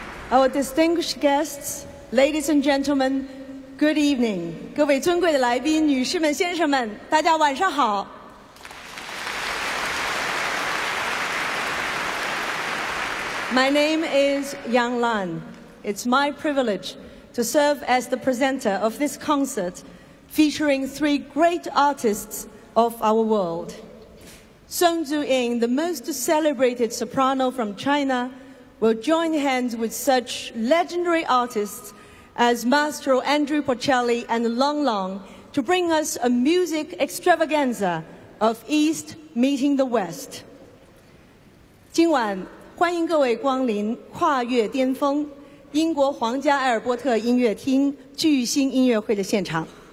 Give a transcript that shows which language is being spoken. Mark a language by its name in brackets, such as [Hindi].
[English] Our distinguished guests, ladies and gentlemen, good evening. [Chinese] 各位尊贵的来宾，女士们、先生们，大家晚上好。 [English] My name is Yang Lan. It's my privilege to serve as the presenter of this concert featuring three great artists of our world. Song Zuying, the most celebrated soprano from China,will join hands with such legendary artists as Maestro Andrew Porcelli and Long Long to bring us a music extravaganza of East meeting the West. [Chinese] 今晚欢迎各位光临跨越巅峰英国皇家艾尔伯特音乐厅巨星音乐会的现场。